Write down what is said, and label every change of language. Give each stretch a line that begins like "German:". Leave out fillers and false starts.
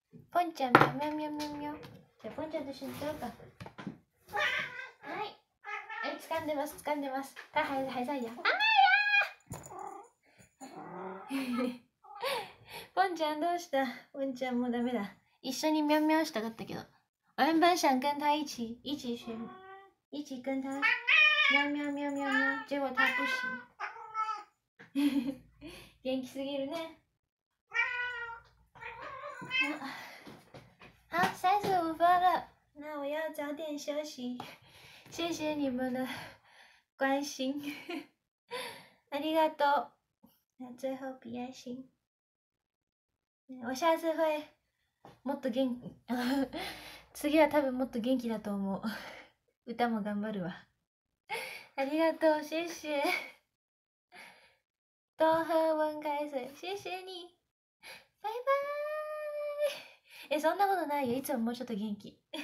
Japanese: ポンちゃん、みょみょみょみょみょ。じゃあ、ポンちゃんと一緒に撮ろうか。はい。え、掴んでます、掴んでます。はい、はい、はい、はい、はい。甘いよポンちゃん、どうした？ポンちゃん、もうダメだ。一緒にみょみょしたかったけど。
Chinese: 原本想跟他一起学，一起跟他喵喵喵喵喵，结果他不行。
Japanese: 元気すぎるね。
Chinese: 好，35分了，那我要早点休息。谢谢你们的关心，
Japanese: ありがとう。
Chinese: 那最后比爱心，我下次会
Japanese: もっと元気。次は多分もっと元気だと思う。歌も頑張るわ。ありがとう、
Chinese: 谢谢。多喝温开水、谢谢你。
Japanese: バイバーイ。え、そんなことないよ。いつももうちょっと元気。